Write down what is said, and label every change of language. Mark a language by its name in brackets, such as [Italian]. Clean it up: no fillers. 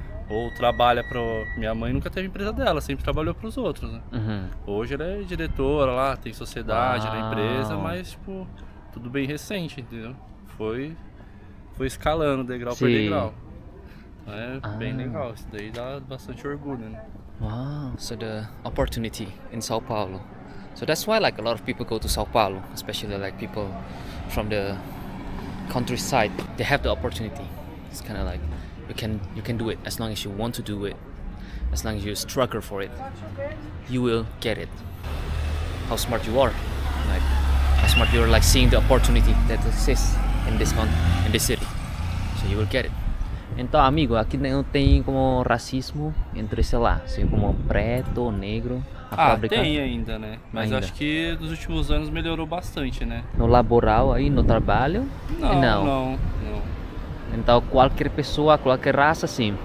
[Portuguese] Ou trabalha para minha mãe, nunca teve empresa dela, sempre trabalhou para os outros, né? Uhum. Hoje ela é diretora lá, tem sociedade na empresa, mas tipo, tudo bem recente, entendeu? Foi escalando degrau por degrau. Então, bem legal, isso daí dá bastante orgulho, né? [English] Uau, so the opportunity in São Paulo. So that's why like a lot of people go to São Paulo, especially like people from the countryside. They have the opportunity. It's kind of like You can do it as long as you want to do it, as long as you struggle for it, you will get it. How smart you are, like how smart you are, like seeing the opportunity that exists in this country, in this city, so you will get it. [Portuguese] Então, amigo, aqui não tem como racismo entre sei lá, assim como preto, negro. Fábrica. Tem ainda, né? Mas ainda. Acho que nos últimos anos melhorou bastante, né? No laboral aí, no trabalho? Não. Então qualquer pessoa, qualquer raça, sim.